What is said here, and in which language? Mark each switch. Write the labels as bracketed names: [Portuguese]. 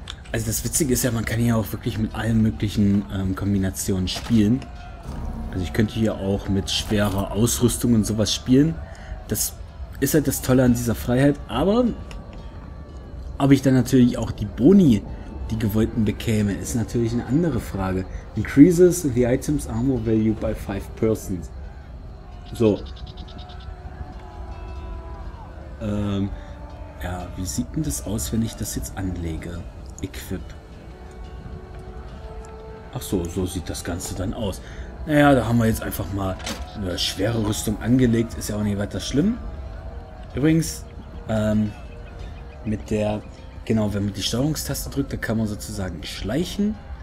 [German] Also das Witzige ist ja, man kann hier auch wirklich mit allen möglichen Kombinationen spielen. Also ich könnte hier auch mit schwerer Ausrüstung und sowas spielen. Das ist halt das Tolle an dieser Freiheit. Aber ob ich dann natürlich auch die Boni, die gewollten, bekäme, ist natürlich eine andere Frage. [English] Increases the item's armor value by 5%. [German] So. Ja, wie sieht denn das aus, wenn ich das jetzt anlege? Equip. Ach so, so sieht das Ganze dann aus. Naja, da haben wir jetzt einfach mal eine schwere Rüstung angelegt. Ist ja auch nicht weiter schlimm. Übrigens, mit der, genau, wenn man die Steuerungstaste drückt, da kann man sozusagen schleichen.